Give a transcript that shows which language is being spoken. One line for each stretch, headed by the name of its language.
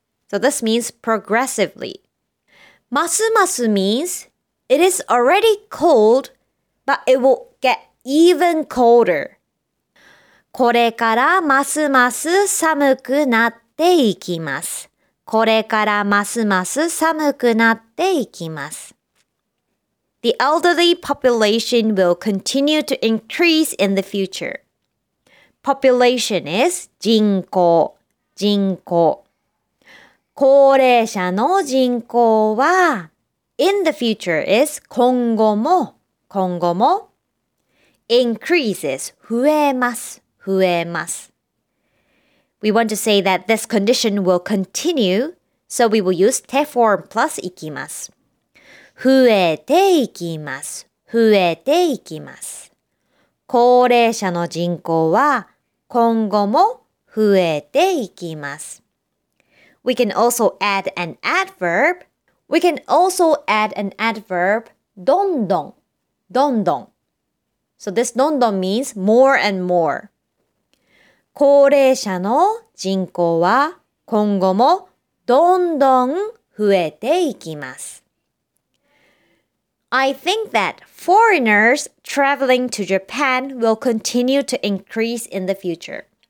English: So this means progressively. ますます means it is already cold, but it will get even colder.
Japanese: これからますます寒くなっていきます。これからますます寒くなっていきます。
English: The elderly population will continue to increase in the future. Population is
Japanese: 人口、人口。高齢者の人口は
English: In the future is
Japanese: 今後も、今後も。
English: Increase is
Japanese: 増えます、増えます。
English: We want to say that this condition will continue, so we will use te form plus いきます。
Japanese: 増えていきます。増えていきます。高齢者の人口は今後も増えていきます。
English: We can also add an adverb. We can also add an adverb どんどん。どんどん。 So this どんどん means more and more.
Japanese: 高齢者の人口は今後もどんどん増えていきます。
English: I think that foreigners traveling to Japan will continue to increase in the future.